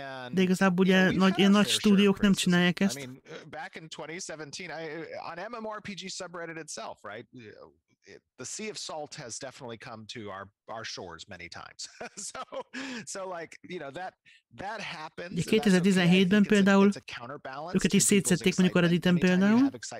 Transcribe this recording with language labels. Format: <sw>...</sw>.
<hu>De igazából ugye nagy stúdiók nem csinálják ezt.</hu> <en>I mean, back in 2017, on MMORPG subreddit itself, right? The Sea of Salt has definitely come to our shores many times. So like, you know, that happens.</en> <hu>2017-ben például őket is szétszették, mondjuk a Redditen például.</hu>